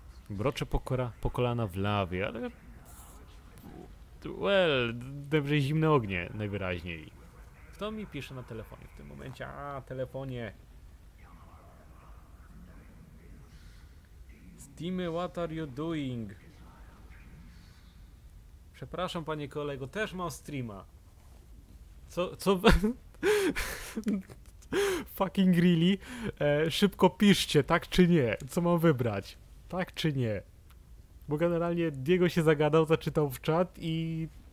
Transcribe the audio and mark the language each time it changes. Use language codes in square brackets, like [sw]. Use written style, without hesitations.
[pl] Broczę po kolana w lawie, ale... Well, dobrze, zimne ognie, najwyraźniej. Kto mi pisze na telefonie w tym momencie? A, telefonie. [en] Dimmy, what are you doing? [pl] Przepraszam, panie kolego, też mam streama. Co? [en] Fucking really? [pl] Szybko piszcie, tak czy nie? Co mam wybrać? Tak czy nie? Bo generalnie Diego się zagadał, zaczytał w czat i...